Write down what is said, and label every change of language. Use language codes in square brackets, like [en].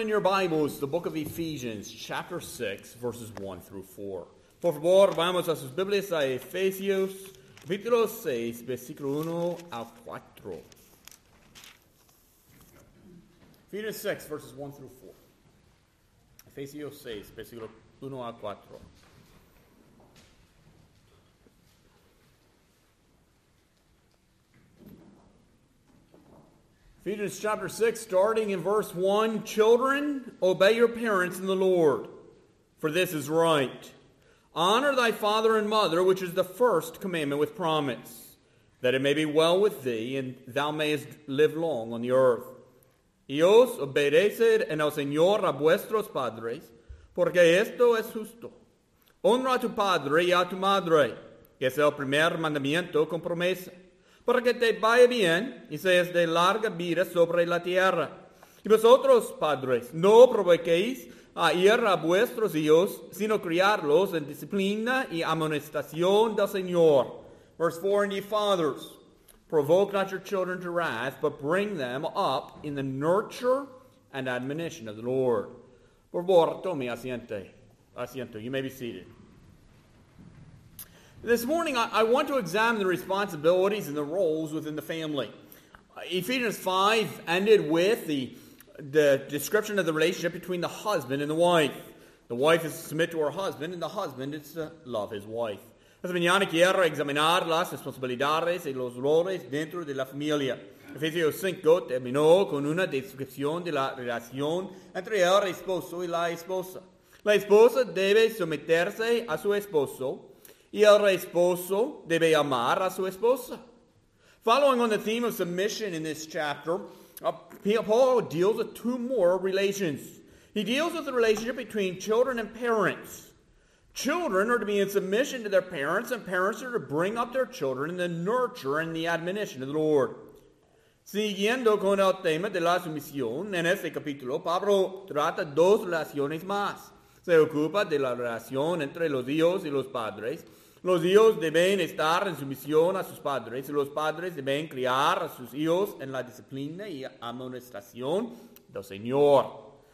[en] In your Bibles, the book of Ephesians, chapter 6, verses 1 through 4. [es] Por favor, vamos a sus Biblias a Efesios, capítulo 6, versículo 1 al 4. [en] Ephesians 6, verses 1 through 4. [es] Ephesios 6, versículo 1 al 4. [en] Ephesians chapter 6, starting in verse 1, children, obey your parents in the Lord, for this is right. Honor thy father and mother, which is the first commandment with promise, that it may be well with thee, and thou mayest live long on the earth. [es] Y os obedeced en el Señor a vuestros padres, porque esto es justo. Honra a tu padre y a tu madre, que es el primer mandamiento con promesa. Para que te vaya bien y seas de larga vida sobre la tierra. Y vosotros, padres, no provoquéis a ir a vuestros hijos, sino criarlos en disciplina y amonestación del Señor. [en] Verse 4, and ye fathers, provoke not your children to wrath, but bring them up in the nurture and admonition of the Lord. [es] Por favor, tome asiento. [en] You may be seated. This morning, I want to examine the responsibilities and the roles within the family. Ephesians 5 ended with the description of the relationship between the husband and the wife. The wife is to submit to her husband, and the husband is to love his wife. [es] Esta mañana quiero examinar las responsabilidades y los roles dentro de la familia. Ephesians 5 terminó con una descripción de la relación entre el esposo y la esposa. La esposa debe someterse a su esposo, y el esposo debe amar a su esposa. [en] Following on the theme of submission in this chapter, Paul deals with two more relations. He deals with the relationship between children and parents. Children are to be in submission to their parents, and parents are to bring up their children in the nurture and the admonition of the Lord. [es] Siguiendo con el tema de la sumisión, en este capítulo, Pablo trata dos relaciones más. Se ocupa de la relación entre los hijos y los padres. Los hijos deben estar en sumisión a sus padres, y los padres deben criar a sus hijos en la disciplina y amonestación del Señor.